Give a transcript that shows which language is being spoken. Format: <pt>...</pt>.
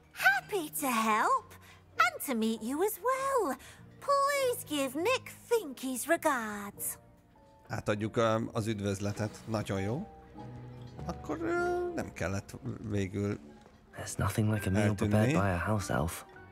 <en>Happy to help, and to meet you as well. Please give Nick Finky's regards.</en> <hu>átadjuk az üdvözletet. Nagyon jó. Akkor nem kellett végül.</hu> <en>There's nothing like a meal prepared by a house elf.</en>